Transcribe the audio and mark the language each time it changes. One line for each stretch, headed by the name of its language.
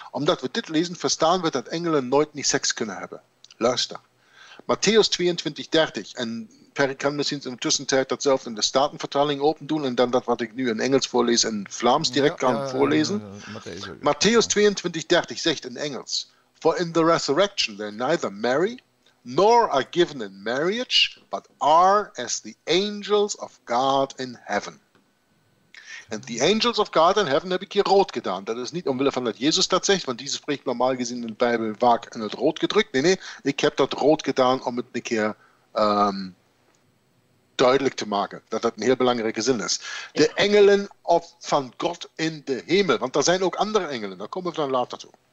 Dutch: Omdat we dit lezen, verstaan we dat engelen nooit niet seks kunnen hebben. Luister. Matthäus 22, 30. En Perry kan misschien in de tussentijd datzelfde in de Statenvertaling open doen en dan dat wat ik nu in Engels voorlees in Vlaams direct kan voorlezen. Matthäus 22, 30 zegt in Engels:
English: For in the resurrection they neither marry nor are given in marriage, but are as the angels of God in heaven. And the angels of God in heaven
Dutch: heb ik hier rood gedaan. Dat is niet omwille van dat Jezus dat zegt, want die spreekt normaal gezien in de Bijbel vaak in het rood gedrukt. Nee, ik heb dat rood gedaan om het een keer duidelijk te maken, dat dat een heel belangrijke zin is. De engelen van God in de hemel, want er zijn ook andere engelen, daar komen we dan later toe.